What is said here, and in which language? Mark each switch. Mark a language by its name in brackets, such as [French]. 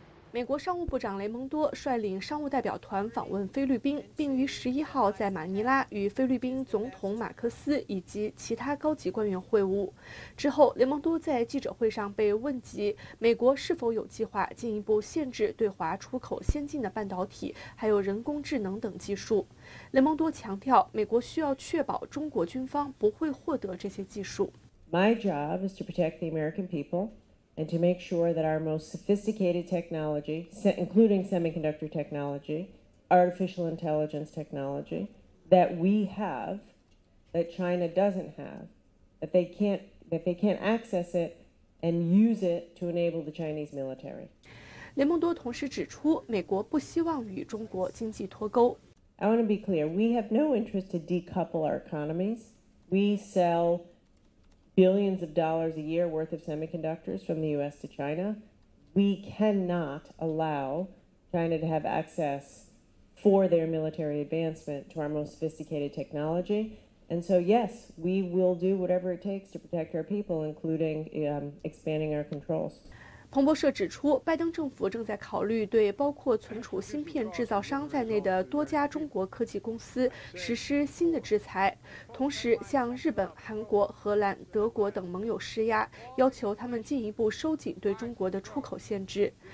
[Chinese] 美国商务部长雷蒙多率领商务代表团访问菲律宾，并于十一号在马尼拉与菲律宾总统马克思以及其他高级官员会晤。之后，雷蒙多在记者会上被问及美国是否有计划进一步限制对华出口先进的半导体，还有人工智能等技术。雷蒙多强调，美国需要确保中国军方不会获得这些技术。 [English] My job is to protect the American people. And to make sure that our most sophisticated technology, including semiconductor technology, artificial intelligence technology, that we have, that China doesn't have, that they can't access it and use it to enable the Chinese military. [Chinese] 雷蒙多同时指出，美国不希望与中国经济脱钩。 [English] I want to be clear. We have no interest to decouple our economies. We sell. Billions of dollars a year worth of semiconductors from the U.S. to China. We cannot allow China to have access for their military advancement to our most sophisticated technology. And so, yes, we will do whatever it takes to protect our people, including, expanding our controls. [Chinese] 彭博社指出，拜登政府正在考虑对包括存储芯片制造商在内的多家中国科技公司实施新的制裁，同时向日本、韩国、荷兰、德国等盟友施压，要求他们进一步收紧对中国的出口限制。